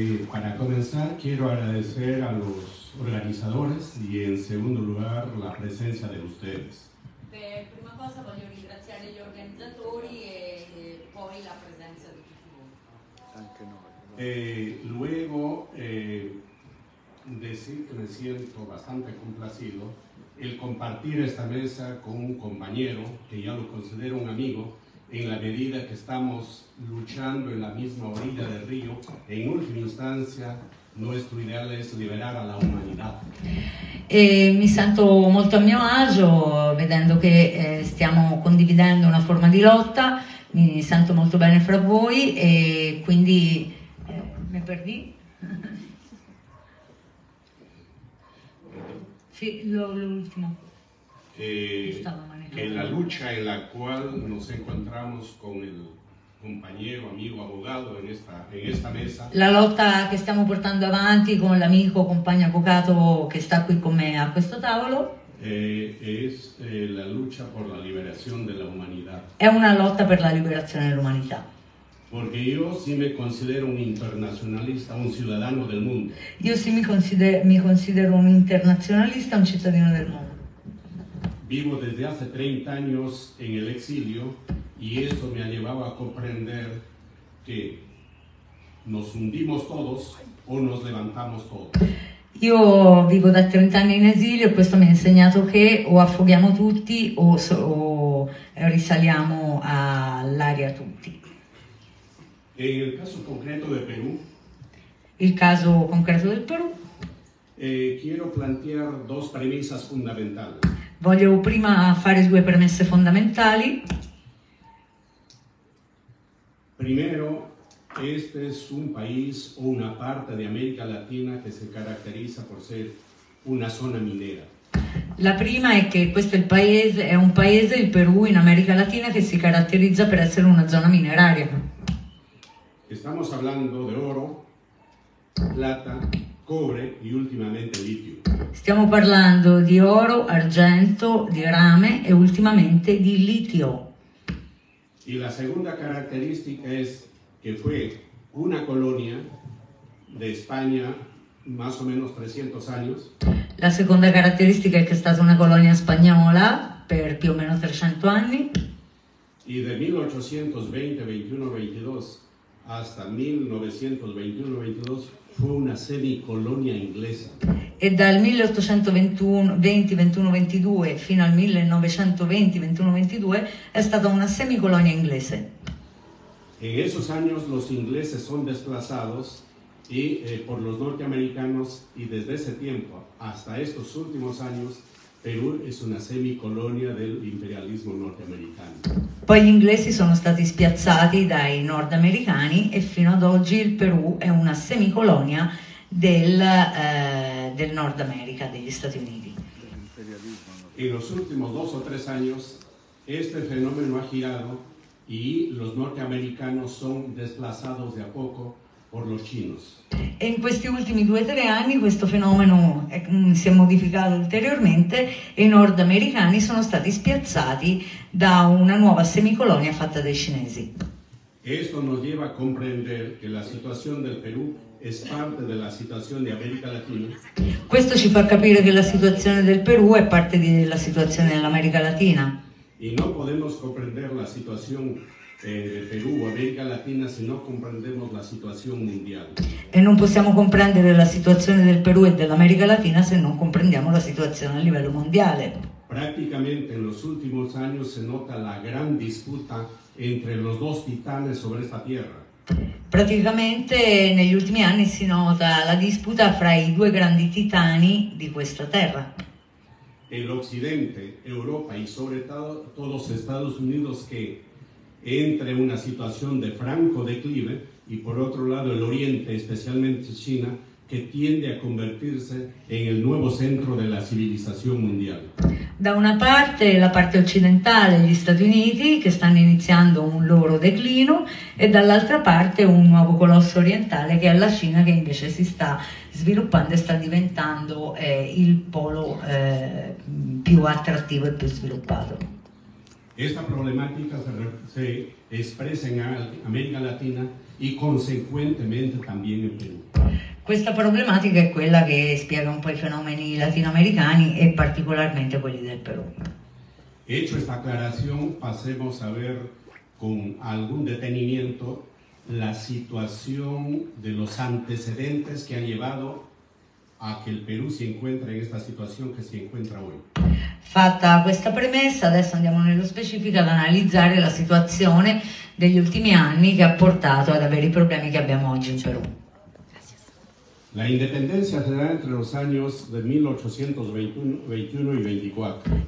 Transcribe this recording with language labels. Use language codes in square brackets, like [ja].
[es] Para comenzar, quiero agradecer a los organizadores y, en segundo lugar, la presencia de ustedes. [it] De prima cosa, voglio ringraziare gli organizzatori e poi la presenza di tutti voi. [es] Luego, decir que me siento bastante complacido el compartir esta mesa con un compañero que ya lo considero un amigo, en la medida que estamos luchando en la misma orilla del río. En última instancia, nuestro ideal es liberar a la humanidad. [it] E mi sento molto a mio agio vedendo che stiamo condividendo una forma di lotta. Mi sento molto bene fra voi e quindi [es] me perdí. Que la lucha en la cual nos encontramos con el compañero, amigo, abogado en esta mesa. [it] La lotta che stiamo portando avanti con l'amico, compagno avvocato che sta qui con me a questo tavolo. [es] La lucha por la liberación de la humanidad. [it] È una lotta per la liberazione dell'umanità. [es] Porque yo sí me considero un internacionalista, un ciudadano del mundo. [it] Io sì mi considero un internazionalista, un cittadino del mondo. [es] Vivo desde hace 30 años en el exilio y esto me ha llevado a comprender que nos hundimos todos o nos levantamos todos. [it] Io vivo da 30 anni in esilio e questo mi ha insegnato che o affoghiamo tutti o risaliamo all'aria tutti. [es] En el caso concreto de Perú. [it] Il caso concreto del Perù. [es] Quiero plantear dos premisas fundamentales. [it] Voglio prima fare due premesse fondamentali. [es] Primero, este es un país o una parte de América Latina que se caracteriza por ser una zona minera. [it] La prima è che questo è un paese, il Perù, in America Latina che si caratterizza per essere una zona mineraria. [es] Estamos hablando de oro, plata, cobre y últimamente litio. [it] Stiamo parlando di oro, argento, di rame e ultimamente di litio. [es] Y la segunda característica es que fue una colonia de España más o menos 300 años. [it] La seconda caratteristica è che è stata una colonia spagnola per più o meno 300 anni. [es] Y de 1820, 21, 22 hasta 1921-22 fue una semicolonia inglesa. [it] E dal 1821-22 fino al 1920-21-22 è stata una semicolonia inglese. [es] En esos años los ingleses son desplazados y por los norteamericanos y desde ese tiempo hasta estos últimos años [it] Perù è una semicolonia dell'imperialismo nordamericano. Poi gli inglesi sono stati spiazzati dai nordamericani e fino ad oggi il Perù è una semicolonia del Nord America, degli Stati Uniti. [es] In los últimos dos o tres años este fenómeno ha girado y los norteamericanos son desplazados de a poco por los chinos. [it] E in questi ultimi 2-3 anni questo fenomeno si è modificato ulteriormente e i nordamericani sono stati spiazzati da una nuova semicolonia fatta dai cinesi. [es] Esto nos lleva a comprender que la situación del Perú es parte de la situación de América Latina. [it] Questo ci fa capire che la situazione del Perù è parte della situazione dell'America Latina. [es] Y no podemos comprender la situación Perù o America Latina [it] se non comprendiamo la situazione mondiale. E non possiamo comprendere la situazione del Perù e dell'America Latina se non comprendiamo la situazione a livello mondiale. [es] Praticamente en los últimos años se nota la gran disputa entre los dos titanes sobre esta tierra. [it] Praticamente negli ultimi anni si nota la disputa fra i due grandi titani di questa terra. [es] El occidente, Europa y sobre todo los Estados Unidos que entre una situación de franco declive y por otro lado el oriente, especialmente China, que tiende a convertirse en el nuevo centro de la civilización mundial. [it] Da una parte la parte occidentale, gli Stati Uniti, che stanno iniziando un loro declino, e dall'altra parte un nuovo colosso orientale che è la Cina, che invece si sta sviluppando e sta diventando il polo più attrattivo e più sviluppato. [es] Esta problemática se expresa en América Latina y consecuentemente también en Perú. [it] Questa problematica è quella che spiega un po' i fenomeni latinoamericani e particolarmente quelli del Perù. [es] Hecho esta aclaración, pasemos a ver con algún detenimiento la situación de los antecedentes que han llevado [it] a che il Perù [es] si encuentra [it] in questa situazione che si encuentra oggi. Fatta questa premessa, adesso andiamo nello specifico ad analizzare la situazione degli ultimi anni che ha portato ad avere i problemi che abbiamo oggi in Perù. [es] La [it] indipendenza si dà [es] entre los años de 1821 y 24.